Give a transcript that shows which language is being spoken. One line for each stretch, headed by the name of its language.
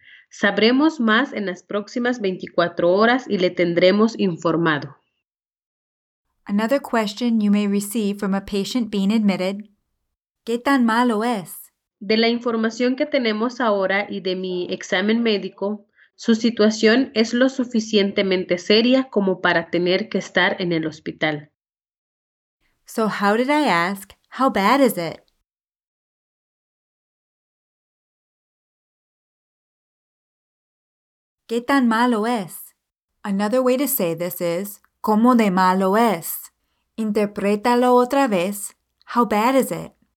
Spanish: Sabremos más en las próximas 24 horas y le tendremos informado.
English: Another question you may receive from a patient being admitted.
Spanish: ¿Qué tan malo es? De la información que tenemos ahora y de mi examen médico, su situación es lo suficientemente seria como para tener que estar en el hospital.
English: So how did I ask, how bad is it?
Spanish: ¿Qué tan malo es?
English: Another way to say this is,
Spanish: ¿cómo de malo es? Interprétalo otra vez,
English: how bad is it?